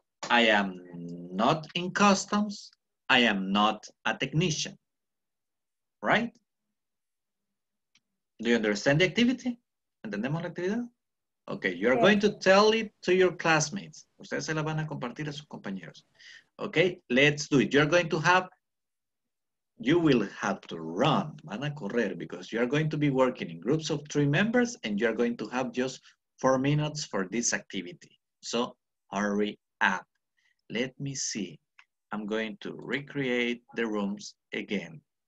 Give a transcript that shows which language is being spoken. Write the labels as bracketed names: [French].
[English] I am not in customs, I am not a technician, right? Do you understand the activity? [Spanish] ¿Entendemos la actividad? [English] Okay, you're going to tell it to your classmates. [Spanish] Ustedes se la van a compartir a sus compañeros. [English] Okay, let's do it. You're going to have, you will have to run, [Spanish] van a correr, [English] because you're going to be working in groups of three members and you're going to have just 4 minutes for this activity. So hurry up. Let me see. I'm going to recreate the rooms again.